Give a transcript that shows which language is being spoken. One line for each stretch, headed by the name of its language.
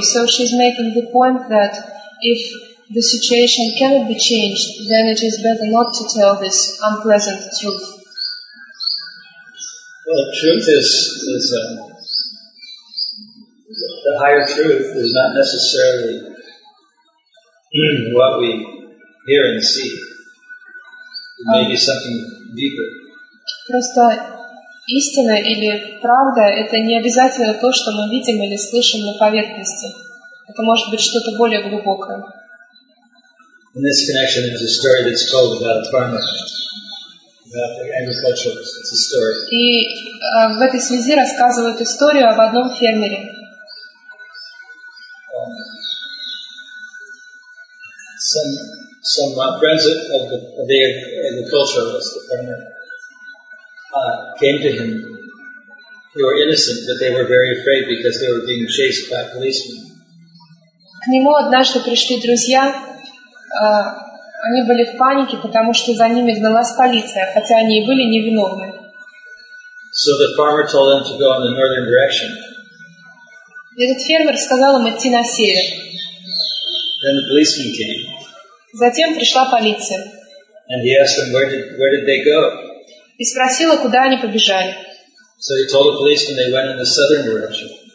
English: So she's making the point that if the situation cannot be changed, then it is better not to tell this unpleasant truth. Well, truth is the higher truth is not necessarily what we hear and see. It may be something deeper.
Russian: Просто истина или правда — это не обязательно то, что мы видим или слышим на поверхности. Это может быть что-то более глубокое.
English: In this connection, there's a story that's told about a farmer, about the agricultural business. It's a story.
Russian: И в этой связи рассказывают историю об одном фермере.
English: Some friends of the culture, was the partner, came to him. They were innocent, but they were very afraid because they were being chased by policemen.
Russian: К нему однажды пришли друзья. Они были в панике, потому что за ними гналась полиция, хотя они и были невиновны.
English: So the farmer told them to go in the northern direction.
Russian: Этот фермер сказал им идти на север.
English: Then the policeman came.
Russian: Затем пришла полиция.
English: And he asked them where did they go?
Russian: И спросила, куда они побежали.
English: So he told the policeman they went in the southern direction.